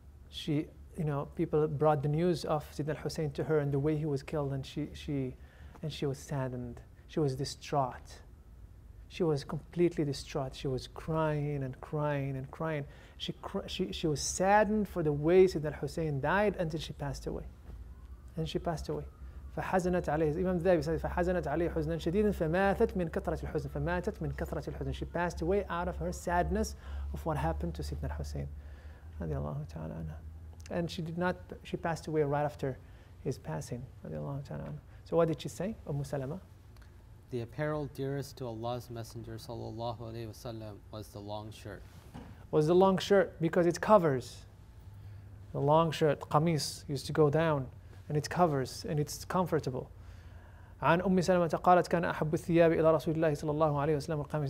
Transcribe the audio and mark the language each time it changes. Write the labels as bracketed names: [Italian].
[English] She, you know, people brought the news of Sidna al-Husayn to her and the way he was killed, and she was saddened. She was distraught. She was completely distraught. She was crying and crying and crying. She was saddened for the way Sidna al-Husayn died until she passed away. And she passed away. [Arabic] فحزنت عليه. [English] Imam Dhabi says, [Arabic] فحزنت عليه حزنا شديدا فماتت من كثرة الحزن. فماتت من كثرة الحزن. [English] She passed away out of her sadness of what happened to Sidna al-Husayn. [Arabic] رضي الله تعالى عنها. [English] And she did not. She passed away right after his passing. [Arabic] رضي الله تعالى عنها. [English] So what did she say, Umm Salama? The apparel dearest to Allah's Messenger sallallahu alayhi wasallam was the long shirt. Was the long shirt because it covers. The long shirt, qamis, used to go down and it covers and it's comfortable. [Arabic] عن أم سلمة قالت كان أحب الثياب إلى رسول الله صلى الله عليه وسلم القميص.